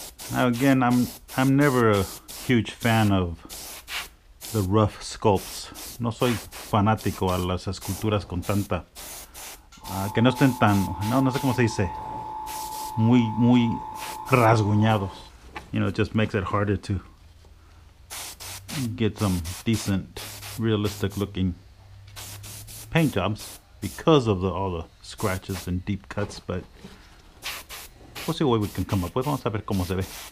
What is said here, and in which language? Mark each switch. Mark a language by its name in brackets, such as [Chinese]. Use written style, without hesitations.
[English] Now again, I'm never a huge fan of the rough sculpts. [Spanish] No soy fanático a las esculturas con tanta que no estén tan, no sé cómo se dice, muy rasguñados. [English] You know, it just makes it harder to get some decent, realistic looking paint jobs because of all the scratches and deep cuts, but we'll see what we can come up with. [Spanish] Vamos a ver cómo se ve.